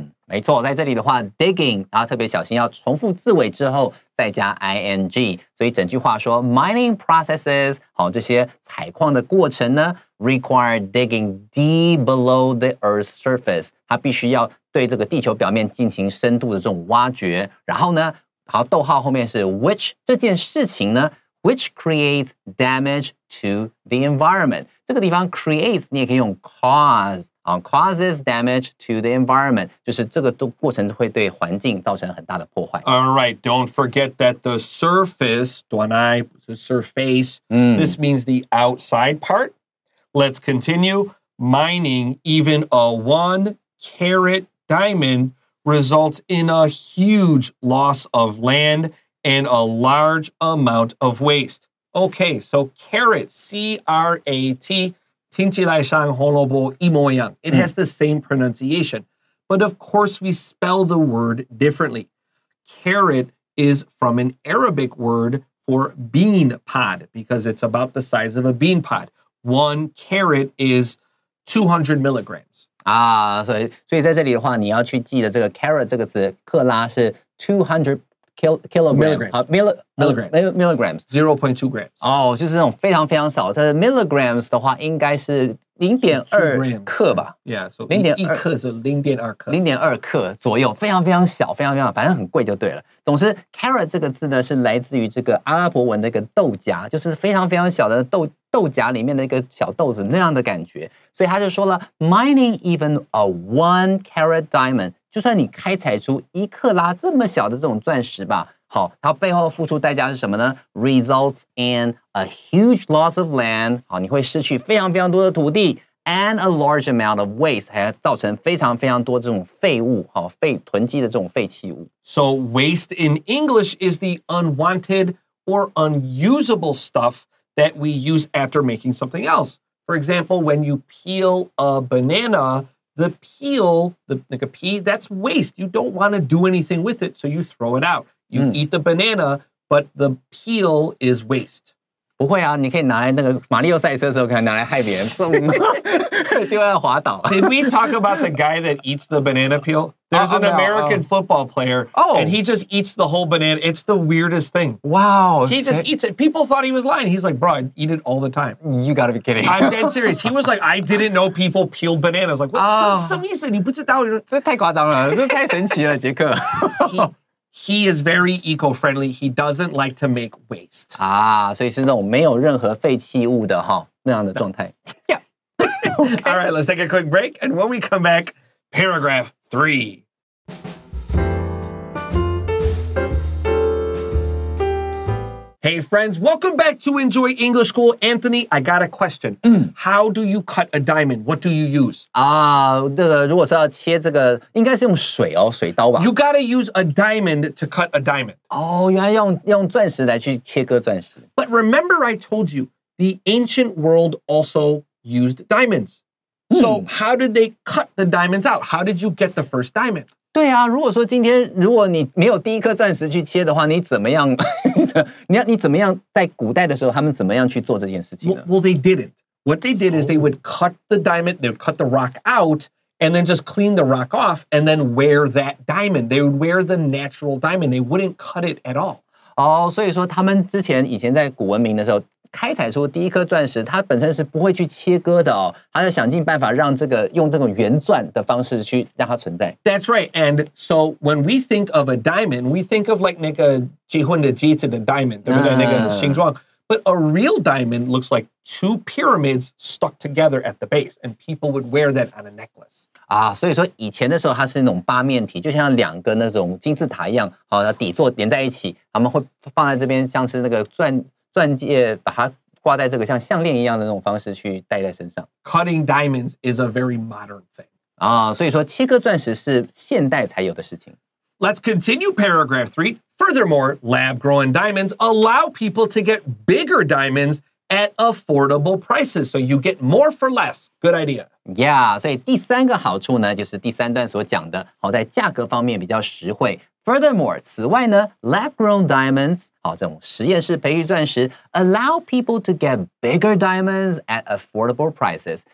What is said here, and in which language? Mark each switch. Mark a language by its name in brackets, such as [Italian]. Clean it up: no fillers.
[Chinese] 没错，在这里的话 digging， 然后特别小心，要重复字尾之后再加 ing， 所以整句话说 [English] mining processes， [Chinese] 好，这些采矿的过程呢 [English] require digging deep below the earth's surface， [Chinese] 它必须要对这个地球表面进行深度的这种挖掘，然后呢，好，逗号后面是 which 这件事情呢 ， [English] which creates damage to the environment。 [Chinese] 这个地方 creates 你也可以用 cause、 [English] causes damage to the environment， [Chinese] 就是这个过程会对环境造成很大的破坏。 [English] Alright, don't forget that the surface, 短 I, the surface,、this means the outside part. Let's continue. Mining even a 1-carat diamond results in a huge loss of land and a large amount of waste. Okay, so carrot, C-R-A-T, [Chinese] 听起来像红萝卜一模一样。 [English] It has the same pronunciation. But of course, we spell the word differently. Carrot is from an Arabic word for bean pod, because it's about the size of a bean pod. 1 carrot is 200 milligrams. [Chinese] 啊，所以在这里的话，你要去记得这个 carrot 这个词，克拉是 200 milligrams [English] 0.2 grams [Chinese] 哦，就是那种非常非常少。它的 milligrams 的话，应该是0.2克吧？Yeah， 一克是零点二克左右，非常非常小，非常非常，反正很贵就对了。总之 ，carrot 这个字呢，是来自于这个阿拉伯文的一个豆荚，就是非常非常小的豆荚里面的一个小豆子那样的感觉。所以他就说了 ， [English] mining even a 1-carat diamond。 [Chinese] 就算你开采出一克拉这么小的这种钻石吧，好，它背后付出代价是什么呢 ？ [English] Results in a huge loss of land， [Chinese] 好，你会失去非常非常多的土地 ， [English] and a large amount of waste， [Chinese] 还造成非常非常多这种废物，好，囤积的这种废弃物。 [English] So waste in English is the unwanted or unusable stuff that we use after making something else. For example, when you peel a banana. The peel, like a pea, that's waste. You don't want to do anything with it, so you throw it out. You eat the banana, but the peel is waste. [Chinese] 不会啊，你可以拿来那个马里奥赛车的时候，可以拿来害别人，丢在滑倒。 [English] Did we talk about the guy that eats the banana peel? There's an American football player, and he just eats the whole banana. It's the weirdest thing. Wow. He just eats it. People thought he was lying. He's like, bro, I eat it all the time. You gotta be kidding. I'm dead serious. He was like, I didn't know people peeled bananas. Like, what's the reason? [Chinese] 你不知道？这太夸张了，这太神奇了，杰克。 [English] He is very eco-friendly. He doesn't like to make waste. [Chinese] 啊，所以是那种没有任何废弃物的哈那样的状态。 [English] Yeah. Okay. All right, let's take a quick break, and when we come back, paragraph 3. Hey, friends, welcome back to Enjoy English School. Anthony, I got a question. How do you cut a diamond? What do you use? [Chinese] 这个如果是要切这个，应该是用水哦，水刀吧。 [English] You gotta use a diamond to cut a diamond. [Chinese] 哦，原来用钻石来去切割钻石。 [English] But remember I told you, the ancient world also used diamonds. So how did they cut the diamonds out? How did you get the first diamond? [Chinese] 对啊，如果说今天如果你没有第一颗钻石去切的话，你怎么样？你怎么样在古代的时候，他们怎么样去做这件事情呢 [English] ？Well, they didn't. What they did is they would cut the diamond, they would cut the rock out, and then just clean the rock off, and then wear that diamond. They would wear the natural diamond. They wouldn't cut it at all. [Chinese] 哦，所以说他们之前以前在古文明的时候。开采出第一颗钻石，它本身是不会去切割的哦，它要想尽办法让这个用这种圆钻的方式去让它存在。 [English] That's right. And so when we think of a diamond, we think of like [Chinese] 那个结婚的戒指的 [English] diamond， [Chinese] 对不对？那个形状。 [English] But a real diamond looks like 2 pyramids stuck together at the base, and people would wear that on a necklace. [Chinese] 啊，所以说以前的时候它是那种八面体，就像两个那种金字塔一样，好，底座连在一起，他们会放在这边，像是那个钻。钻戒把它挂在这个像项链一样的那种方式去戴在身上。 [English] Cutting diamonds is a very modern thing. [Chinese] 啊，所以说切割钻石是现代才有的事情。 [English] Let's continue paragraph 3. Furthermore, lab-grown diamonds allow people to get bigger diamonds at affordable prices. So you get more for less. Good idea. [Chinese] Yeah, 所以第三个好处呢，就是第三段所讲的，好，在价格方面比较实惠。 [English] Furthermore, [Chinese] 此外呢 [English] lab-grown diamonds, [Chinese] 好，这种实验室培育钻石 [English] allow people to get bigger diamonds at affordable prices.